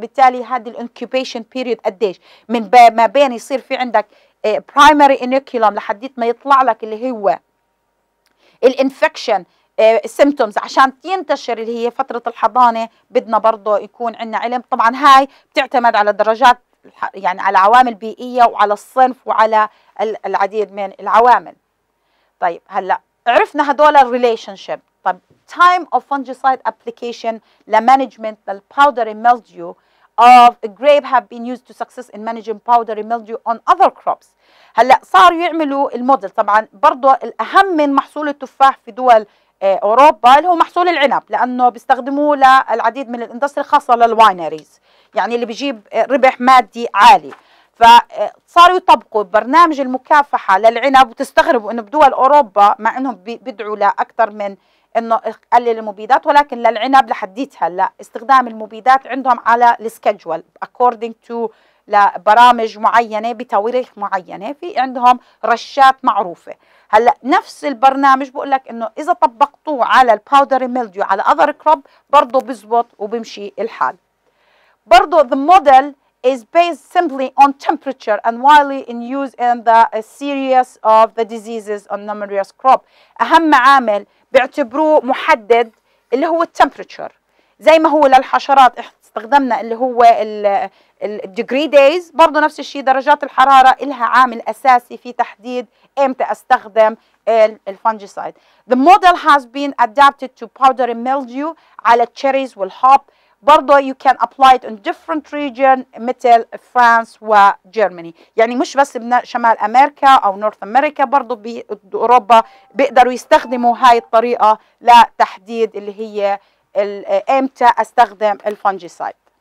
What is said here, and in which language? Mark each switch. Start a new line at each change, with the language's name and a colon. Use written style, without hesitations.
Arabic: فبالتالي هذه الانكيوبيشن بيريد قديش؟ من ما بين يصير في عندك برايمري انوكيولوم لحديت ما يطلع لك اللي هو الانفكشن سيمتومز عشان تنتشر اللي هي فترة الحضانة، بدنا برضو يكون عنا علم. طبعا هاي بتعتمد على درجات، يعني على عوامل بيئية وعلى الصنف وعلى العديد من العوامل. طيب هلأ عرفنا هدول الريليشنشيب، طيب
English: time of fungicide application
Arabic: لمانجمنت للباودري ميلديو
English: of grape have been used to success in managing powdery mildew on other crops.
Arabic: هلا صار يعملوا الموديل، طبعا برضه الاهم من محصول التفاح في دول اوروبا اللي هو محصول العنب، لانه بيستخدموه للعديد من الاندستري خاصه للواينريز، يعني اللي بجيب ربح مادي عالي. فصاروا يطبقوا برنامج المكافحه للعنب، وتستغربوا انه بدول اوروبا مع انهم بيدعوا لاكثر من انه قلل المبيدات، ولكن للعنب لحديت هلا استخدام المبيدات عندهم على السكجول اكوردنج تو لبرامج معينه بتواريخ معينه، في عندهم رشات معروفه. هلا نفس البرنامج بقول لك انه اذا طبقتوه على الباودري ميلديو على اذر كروب برضه بيزبط وبيمشي الحال.
English: برضه the model is based simply on temperature and widely in use in the series of the diseases on numerous crop.
Arabic: اهم عامل بيعتبروه محدد اللي هو التمبريتشر، زي ما هو للحشرات استخدمنا اللي هو الديجري دايز، برضه نفس الشيء درجات الحراره لها عامل اساسي في تحديد امتى استخدم الفانجيسايد.
English: The model has been adapted to powdery mildew على cherries والhop.
Arabic: برضه
English: you can apply it in different region
Arabic: مثل France و Germany، يعني مش بس شمال أمريكا أو نورث أمريكا، برضه بأوروبا بيقدروا يستخدموا هاي الطريقة لتحديد اللي هي إمتى أستخدم الفانجيسايد.